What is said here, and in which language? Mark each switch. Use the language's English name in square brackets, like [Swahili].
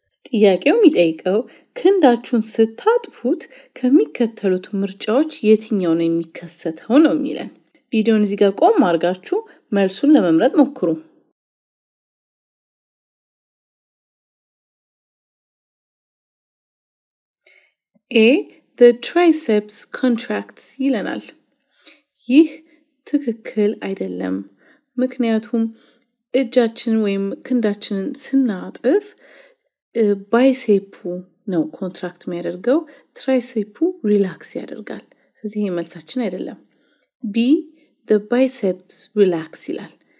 [Amharic] ጥያቄው የሚጠይቀው ክንዳችሁን ስታጥፉት ከሚከተሉት ምርጫዎች የትኛው ነው የሚከሰተው ነው የሚለን። ቪዲዮውን እዚህ ጋር ቆም አርጋችሁ መልሱን ለመምረጥ ሞክሩ። A. [English] The triceps contracts ይለናል. [Amharic] ይህ ትክክል አይደለም ምክንያቱም እጃችን ወይም ክንዳችንን ስናጥፍ ባይሴፑ ነው ኮንትራክት የሚያደርገው ትራይሴፑ ሪላክስ ያደርጋል ስለዚህ መልሳችን አይደለም ቢ [English] ዘ ባይሴፕስ ሪላክስ [Amharic] ይላል